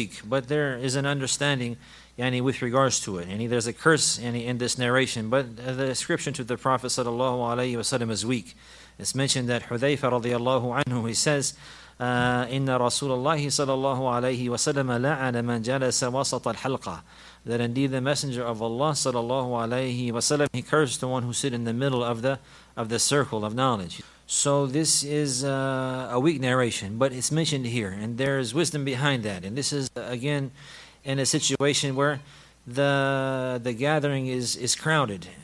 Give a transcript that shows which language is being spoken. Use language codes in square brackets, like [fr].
[en] But there is an understanding with regards to it. There's a curse in this narration, but the ascription to the Prophet sallallahu alayhi wa sallam is weak. It's mentioned that Hudhayfa radiallahu anhu, he says, [ar] إِنَّ رَسُولَ اللَّهِ صَلَى اللَّهُ عَلَيْهِ وَسَلَّمَ لَعَنَ مَنْ جَلَسَ وَسَطَ الْحَلْقَةِ. [en] That indeed the Messenger of Allah صلى الله عليه وسلم, he cursed the one who sit in the middle of the circle of knowledge. So this is a weak narration, but it's mentioned here, and there is wisdom behind that. And this is, again, in a situation where the gathering is crowded.